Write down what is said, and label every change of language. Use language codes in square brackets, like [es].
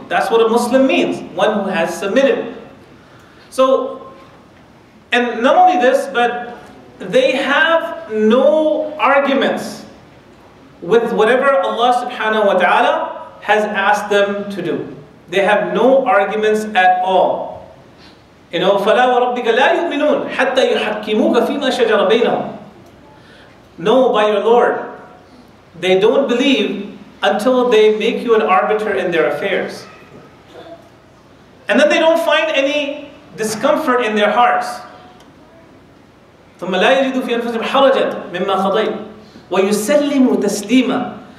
[en] That's what a Muslim means, one who has submitted. So, and not only this, but they have no arguments with whatever Allah subhanahu wa ta'ala has asked them to do. They have no arguments at all. [ar] You know, فَلَا وَرَبِّكَ لَا يُؤْمِنُونَ حَتَّى يُحَكِّمُوكَ فِي مَا شَجَرَ بَيْنَهُمْ. [en] No, by your Lord, they don't believe until they make you an arbiter in their affairs. And then they don't find any discomfort in their hearts. [ar] ثُمَّ لَا يَجِدُوا فِي أَنفُسِهِمْ حَرَجًا مِمَّا خَضَيْتُ وَيُسَلِّمُوا تَسْلِيمًا.